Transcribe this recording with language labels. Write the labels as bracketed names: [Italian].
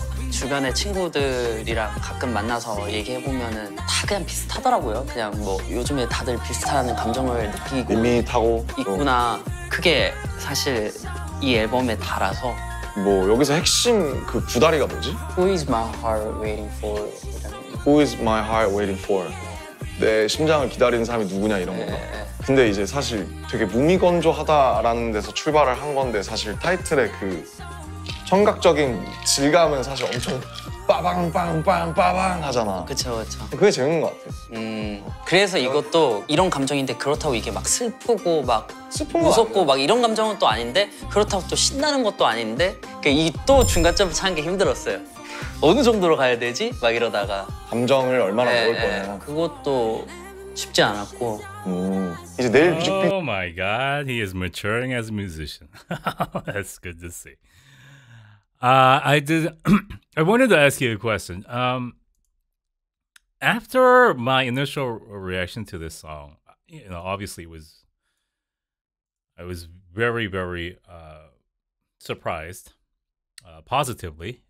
[Korean] 주변의 친구들이랑 가끔 만나서 얘기해 보면은 다 그냥 비슷하더라고요. 그냥 뭐 요즘에 다들 비슷한 감정을 느끼고 밋밋하고 있구나. 그게 사실 이 앨범에 달아서 뭐 여기서 핵심 그 구다리가 뭐지? [English] Who is my heart waiting for? Who is my heart waiting for? [Korean] 내 심장을 기다리는 사람이 누구냐 이런 건가? 근데 이제 사실 되게 무미건조하다라는 데서 출발을 한 건데 사실 타이틀에 그 청각적인 질감은 사실 엄청 빠방빵빵빠방 하잖아. 그렇죠. 그게 재밌는 것 같아. 그래서 이것도 이런 감정인데 그렇다고 이게 막 슬프고 막 무섭고 막 이런 감정은 또 아닌데 그렇다고 또 신나는 것도 아닌데 이 또 중간점을 찾는 게 힘들었어요. 어느 정도로 가야 되지? 막 이러다가 감정을 얼마나 넣을 거냐. 그것도 쉽지 않았고. 이제 내일 뮤직비디오. [English] Oh my god, he is maturing as a musician. That's good to see. I wanted to ask you a question. After my initial reaction to this song, you know, obviously I was very, very surprised, positively.